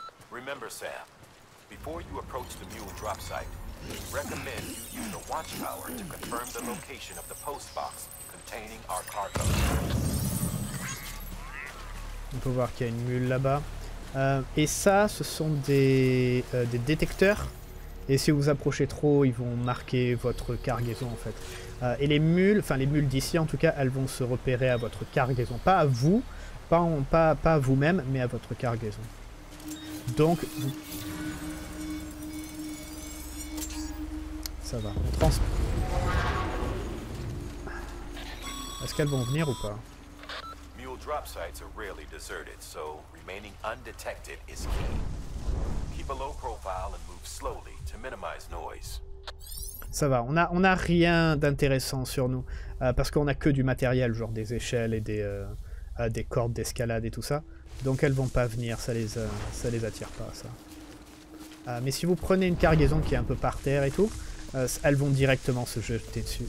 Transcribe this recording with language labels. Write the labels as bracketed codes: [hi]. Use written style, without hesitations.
[en] Remember, Sam, before you approach the mule drop site, recommend you use a watchtower to confirm the location of the post box containing our cargo. [fr] On peut voir qu'il y a une mule là-bas. Et ça, ce sont des détecteurs. Et si vous approchez trop, ils vont marquer votre cargaison en fait. Et les mules, enfin les mules d'ici en tout cas, elles vont se repérer à votre cargaison. Pas à vous, pas à vous-même, mais à votre cargaison. Donc, ça va. Est-ce qu'elles vont venir ou pas? [en] Mule drop sites are rarely deserted, so remaining undetected is key. Keep a low profile and move slowly to minimize noise. [fr] Ça va, on a rien d'intéressant sur nous, parce qu'on a que du matériel, genre des échelles et des cordes d'escalade et tout ça. Donc elles vont pas venir, ça les attire pas, ça. Mais si vous prenez une cargaison qui est un peu par terre et tout, elles vont directement se jeter dessus.